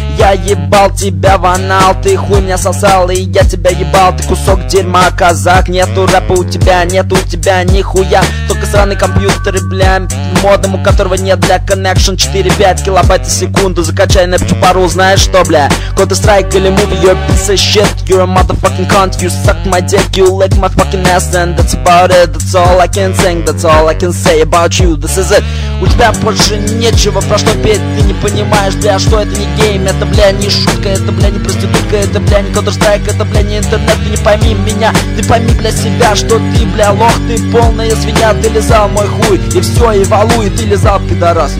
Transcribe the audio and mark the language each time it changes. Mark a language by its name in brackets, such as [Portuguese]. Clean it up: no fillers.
[Russian] Я ебал тебя в анал, ты хуй меня сосал, и я тебя ебал. Ты кусок дерьма, казак, нету рэпа у тебя, нету у тебя нихуя. Только сраный компьютер и, бля, модом, у которого нет для connection 4. 5 килобайт в секунду, закачай на пчупару, знаешь что, бля? [English] Counter-Strike или movie, you're a piece of shit. You're a motherfucking cunt, you suck my dick. You lick my fucking ass, and that's about it. That's all I can think, that's all I can say about you, this is it. [Russian] У тебя больше нечего, про что петь, ты не понимаешь, бля, что это не гейм. Это, бля, не шутка, это, бля, не проститутка. Это, бля, не Counter-Strike, это, бля, не интернет. Ты не пойми меня, ты пойми, бля, себя. Что ты, бля, лох, ты полная свинья. Ты лизал мой хуй, и все, и валуй. Ты лизал, пидорас,